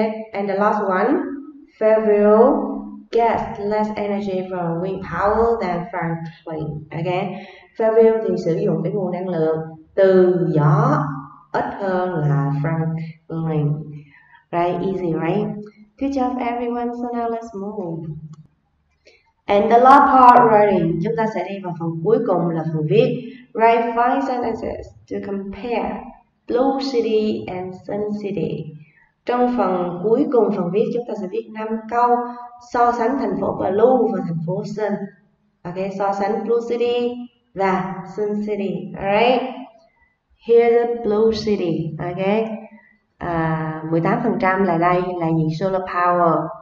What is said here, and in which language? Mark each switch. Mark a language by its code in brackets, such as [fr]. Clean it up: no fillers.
[en] And the last one, Fairview gets less energy from wind power than Franklin. [vi] Okay, Fairview thì sử dụng cái nguồn năng lượng từ gió ít hơn là Franklin. [en] Right, easy, right? Good job, everyone. So now let's move. And the last part, writing. [vi] Chúng ta sẽ đi vào phần cuối cùng là phần viết. [en] Write 5 sentences to compare Blue City and Sun City. [vi] Trong phần cuối cùng phần viết, chúng ta sẽ viết 5 câu so sánh thành phố Blue và thành phố Sun. Okay, so sánh Blue City và Sun City. [en] Alright, here's Blue City. [vi] Okay, 18% là đây, là những solar power.